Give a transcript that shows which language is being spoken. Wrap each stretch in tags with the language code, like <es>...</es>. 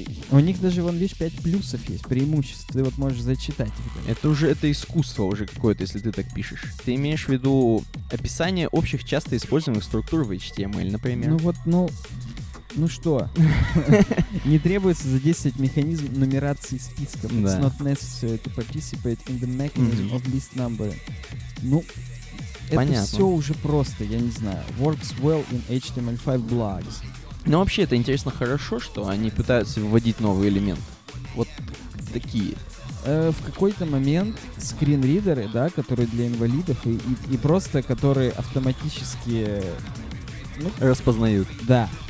<ru>У них даже, вон, видишь, 5 плюсов есть, преимущества, ты вот можешь зачитать. Это уже, это искусство уже какое-то, если ты так пишешь. Ты имеешь в виду описание общих часто используемых структур в HTML, например? Ну вот, ну, ну что? Не требуется задействовать механизм нумерации списка.</ru> <en>It's not necessary to participate in the mechanism of list numbering.</en> <ru>Ну, это все уже просто, я не знаю.</ru> <en>Works well in HTML5 blogs.</en> <ru>Ну, вообще, это интересно, хорошо, что они пытаются выводить новый элемент. Вот такие. В какой-то момент скринридеры, да, которые для инвалидов и просто которые автоматически... Ну, распознают. Да.</ru>